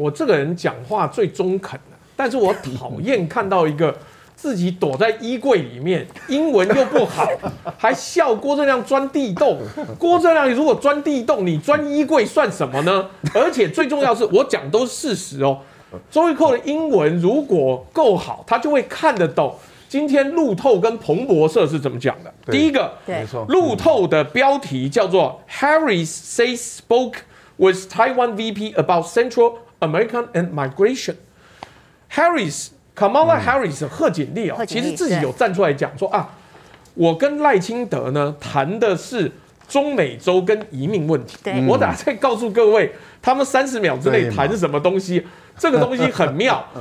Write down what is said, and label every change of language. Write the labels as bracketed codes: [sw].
[zh] 这个人讲话最中肯的，但是我讨厌看到一个自己躲在衣柜里面，英文又不好，还笑郭正亮钻地洞。郭正亮如果钻地洞，你钻衣柜算什么呢？而且最重要的是，我讲都是事实哦。周玉蔻的英文如果够好，他就会看得懂今天路透跟彭博社是怎么讲的。第一个，路透的标题叫做 [en] Harris says spoke with Taiwan VP about Central American and migration。 [zh] Harris Kamala Harris 贺锦丽，其实自己有站出来讲说啊，我跟赖清德呢谈的是中美洲跟移民问题。对，我打算告诉各位他们三十秒之内谈什么东西，这个东西很妙。